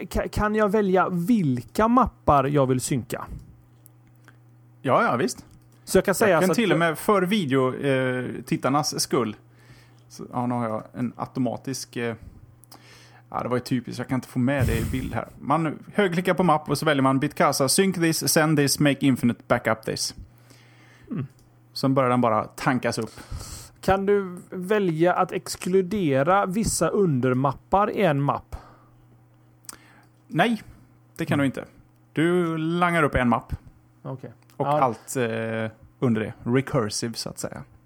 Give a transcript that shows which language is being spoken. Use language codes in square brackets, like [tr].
[sv] Kan jag välja vilka mappar jag vill synka? Ja, ja, visst. Så jag kan säga jag kan till och med för videotittarnas skull. Så, ja, nu har jag en automatisk... Ja, det var ju typiskt. Jag kan inte få med det i bild här. Man högerklickar på mapp och så väljer man Bitkassa. [en] Sync this, send this, make infinite backup this. Mm. [sv] Sen börjar den bara tankas upp. Kan du välja att exkludera vissa undermappar i en mapp? Nej, det kan du inte. Du langar upp en mapp. Okej. Okay. Och allt under det. Recursive, så att säga.